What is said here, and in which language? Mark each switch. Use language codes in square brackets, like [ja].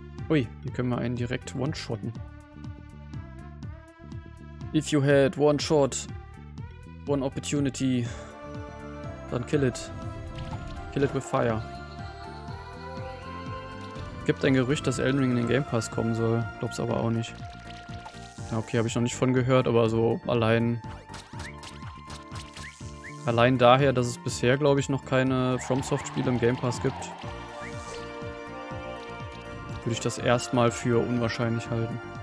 [de] Ui, hier können wir einen direkt one-shotten. [en] If you had one shot, one opportunity, dann kill it. Kill it with fire. [de] Gibt ein Gerücht, dass Elden Ring in den Game Pass kommen soll. Glaub's aber auch nicht. Ja, okay, habe ich noch nicht von gehört, aber so allein daher, dass es bisher, glaube ich, noch keine FromSoft-Spiele im Game Pass gibt, würde ich das erstmal für unwahrscheinlich halten.